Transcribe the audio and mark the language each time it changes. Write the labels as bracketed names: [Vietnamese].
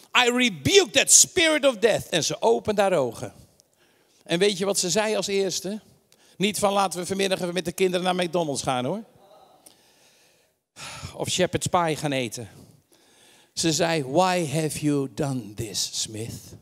[English] I rebuke that spirit of death. [Dutch] En ze opent haar ogen. En weet je wat ze zei als eerste? Niet van, laten we vanmiddag even met de kinderen naar McDonald's gaan, hoor. Of shepherd's pie gaan eten. [English] Ze zei, why have you done this, Smith?